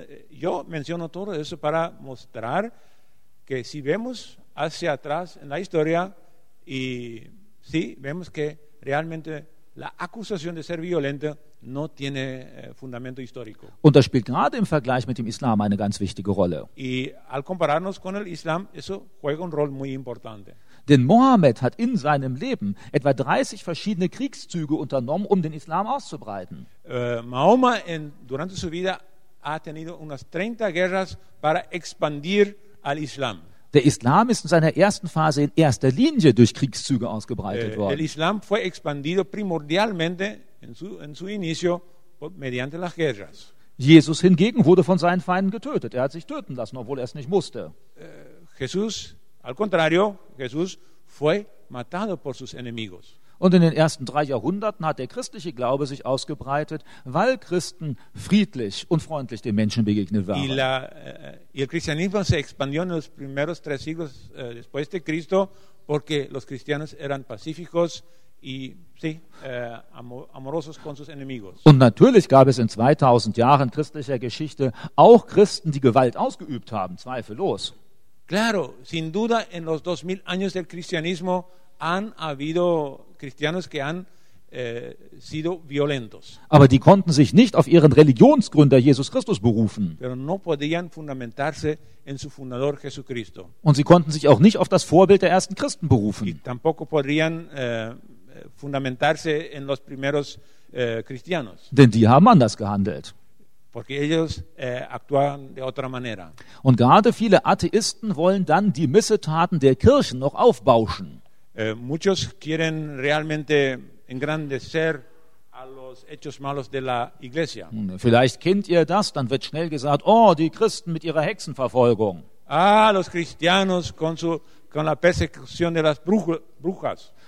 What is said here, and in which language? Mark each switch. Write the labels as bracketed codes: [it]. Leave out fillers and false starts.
[es] Yo menciono todo eso para mostrar que si vemos hacia atrás en la historia y si vemos que realmente la acusación de ser violento no tiene fundamento histórico. [de] Und das spielt gerade im Vergleich mit dem Islam eine ganz wichtige Rolle. [es] Y al compararnos con el Islam, eso juega un rol muy importante. [de] Denn Mohammed hat in seinem Leben etwa 30 verschiedene Kriegszüge unternommen, um den Islam auszubreiten. [es] Mahoma durante su vida ha tenido unas 30 guerras para expandir al Islam. [de] Der Islam ist in seiner ersten Phase in erster Linie durch Kriegszüge ausgebreitet worden. [es] El Islam fue expandido primordialmente en su inicio mediante las guerras. [de] Jesus hingegen wurde von seinen Feinden getötet. Er hat sich töten lassen, obwohl er es nicht musste. [es] Jesús, al contrario, Jesús fue matado por sus enemigos. [de] Und in den ersten 3 Jahrhunderten hat der christliche Glaube sich ausgebreitet, weil Christen friedlich und freundlich den Menschen begegnet waren. [es] Y el cristianismo se expandió en los primeros 3 siglos después de Cristo, porque los cristianos eran pacíficos y sí, amorosos con sus enemigos. [de] Und natürlich gab es in 2000 Jahren christlicher Geschichte auch Christen, die Gewalt ausgeübt haben, zweifellos. [es] Claro, sin duda en los 2000 años del cristianismo han habido cristianos que han sido violentos. [de] Aber die konnten sich nicht auf ihren Religionsgründer Jesus Christus berufen. [es] Pero no podían fundamentarse en su fundador Jesucristo. [de] Und sie konnten sich auch nicht auf das Vorbild der ersten Christen berufen. [es] Y tampoco podrían fundamentarse en los primeros cristianos. [de] Denn die haben anders gehandelt. [es] Porque ellos actuaban de otra manera. [de] Und gerade viele Atheisten wollen dann die Missetaten der Kirchen noch aufbauschen. [es] Muchos quieren realmente engrandecer a los hechos malos de la iglesia. [de] Vielleicht kennt ihr das, dann wird schnell gesagt, oh, die Christen mit ihrer Hexenverfolgung. [es] Ah, los cristianos con la persecución de las brujas.